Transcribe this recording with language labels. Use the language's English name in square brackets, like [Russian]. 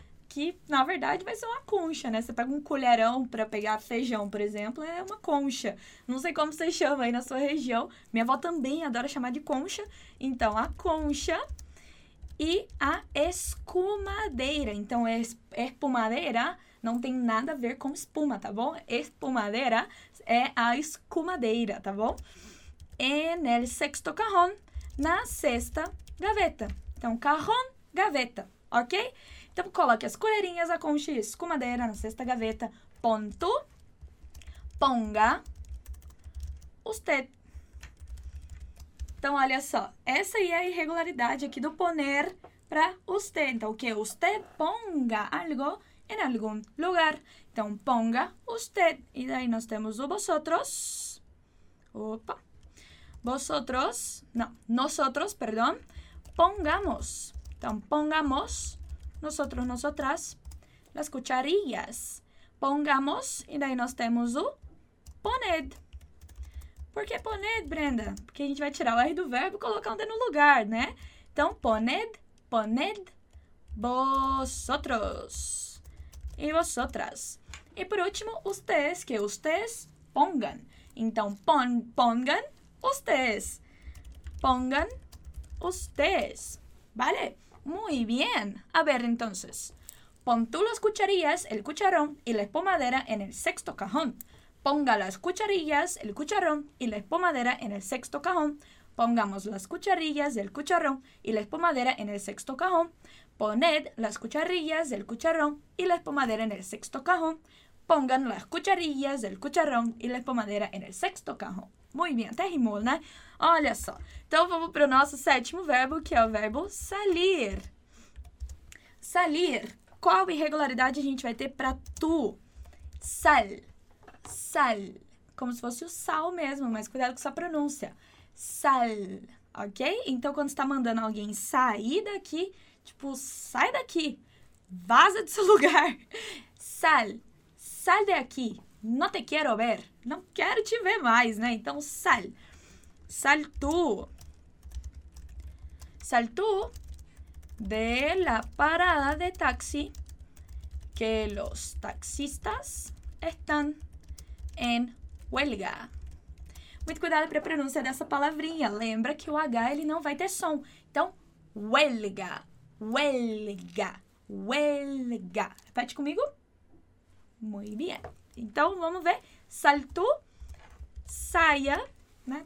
[Portuguese] Que, na verdade, vai ser uma concha, né? Você pega um colherão pra pegar feijão, por exemplo, é uma concha. Não sei como você chama aí na sua região. Minha avó também adora chamar de concha. Então, a concha e a espumadeira. Então, espumadeira não tem nada a ver com espuma, tá bom? Espumadeira é a escumadeira, tá bom? [Spanish] En el sexto cajón, [Portuguese] na sexta gaveta. Então, cajón, gaveta, ok? Então, coloque as colherinhas, a concha e a escumadeira na sexta gaveta. Ponto. Ponga. Usted. Então, olha só. Essa aí é a irregularidade aqui do poner para usted. Então, o que? Usted ponga algo em algum lugar. Então, ponga usted. E daí nós temos o vosotros. Opa. Vosotros. Não. Nosotros, perdão. Pongamos. Então, pongamos. [Spanish] Nosotros, nosotras, las cucharillas. [Portuguese] Pongamos, e daí nós temos o poned. Por que poned, Brenda? Porque a gente vai tirar o R do verbo e colocar um D no lugar, né? Então, poned, poned, vosotros. E vosotras. E por último, ustedes, [Spanish] que ustedes pongan. [Portuguese] Então, pongan ustedes. Pongan ustedes. Vale? [Spanish] Muy bien. A ver, entonces. Pon tú las cucharillas, el cucharón y la espumadera en el sexto cajón. Ponga las cucharillas, el cucharón y la espumadera en el sexto cajón. Pongamos las cucharillas, el cucharón y la espumadera en el sexto cajón. Poned las cucharillas, el cucharón y la espumadera en el sexto cajón. Pongan las cucharillas, el cucharón y la espumadera en el sexto cajón. Muy bien, [Portuguese] até rimou, né? Olha só. Então, vamos para o nosso sétimo verbo, que é o verbo salir. salir. Qual irregularidade a gente vai ter para tu? Sal. Sal. Como se fosse o sal mesmo, mas cuidado com sua pronúncia. Sal. Ok? Então, quando você está mandando alguém sair daqui, tipo, sai daqui. Vaza desse lugar. Sal. [Spanish] Sal de aqui. [Portuguese] Não te quero ver. Não quero te ver mais, né? Então, sal. [Spanish] Sal tu. Sal tu de la parada de taxi que los taxistas están en huelga. [Portuguese] Muito cuidado para a pronúncia dessa palavrinha. Lembra que o H ele não vai ter som. Então, huelga. Huelga. Huelga. Repete comigo. [Spanish] Muy bien. [Portuguese] Então, vamos ver. Sal tu, saia, né?